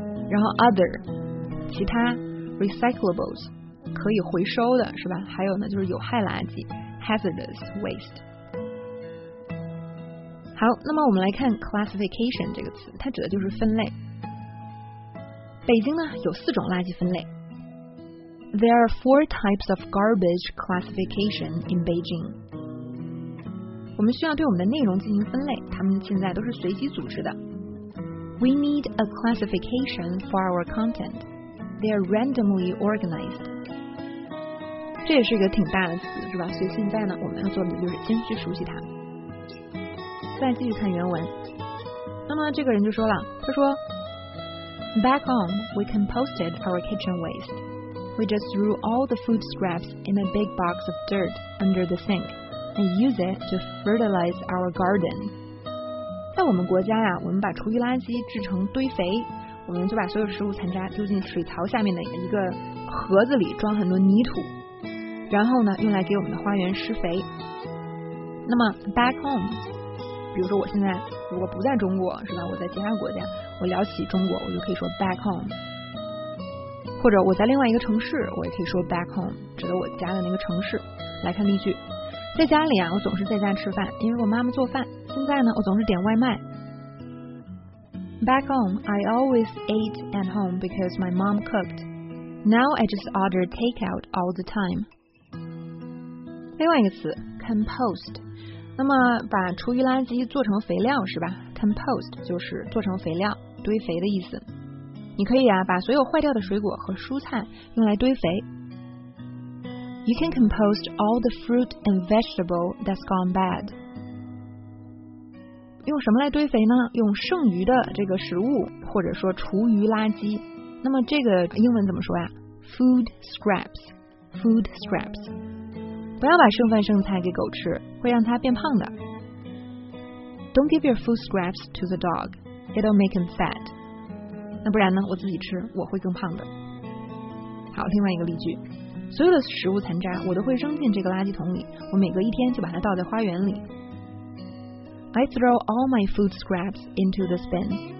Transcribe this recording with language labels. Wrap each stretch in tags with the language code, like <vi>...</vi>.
<zh>然后 other， 其他， recyclables， 可以回收的，是吧？还有呢，就是有害垃圾， hazardous waste。好，那么我们来看 classification 这个词，它指的就是分类。北京呢有四种垃圾分类。</zh> <en>There are four types of garbage classification in Beijing.</en> <zh>我们需要对我们的内容进行分类，它们现在都是随机组织的。</zh> <en>We need a classification for our content. They are randomly organized.</en> <zh>这也是一个挺大的词，是吧？所以现在呢，我们要做的就是先去熟悉它。再继续看原文。那么这个人就说了，他说 ，</zh> <en>Back home, we composted our kitchen waste. We just threw all the food scraps in a big box of dirt under the sink and use it to fertilize our garden.</en> <zh>在我们国家呀，我们把厨余垃圾制成堆肥，我们就把所有食物残渣丢进水槽下面的一个盒子里，装很多泥土，然后呢用来给我们的花园施肥。那么 back home， 比如说我现在如果不在中国，是吧，我在其他国家，我聊起中国我就可以说 back home，或者我在另外一个城市，我也可以说 back home， 指的我家的那个城市。来看例句，在家里啊，我总是在家吃饭，因为我妈妈做饭。现在呢，我总是点外卖。</zh> <en>Back home, I always ate at home because my mom cooked. Now I just order takeout all the time.</en> <zh>另外一个词 compost， 那么把厨余垃圾做成肥料是吧 ？Compost 就是做成肥料、堆肥的意思。你可以啊，把所有坏掉的水果和蔬菜用来堆肥。</zh> <en>You can compost all the fruit and vegetable that's gone bad.</en> <zh>用什么来堆肥呢？用剩余的这个食物，或者说厨余垃圾。那么这个英文怎么说呀？</zh> <en>Food scraps. Food scraps.</en> <zh>不要把剩饭剩菜给狗吃，会让它变胖的。</zh> <en>Don't give your food scraps to the dog. It'll make him fat.</en> <zh>那不然呢，我自己吃我会更胖的。好，另外一个例句，所有的食物残渣我都会扔进这个垃圾桶里，我每隔一天就把它倒在花园里。</zh> <en>I throw all my food scraps into the bin.</en>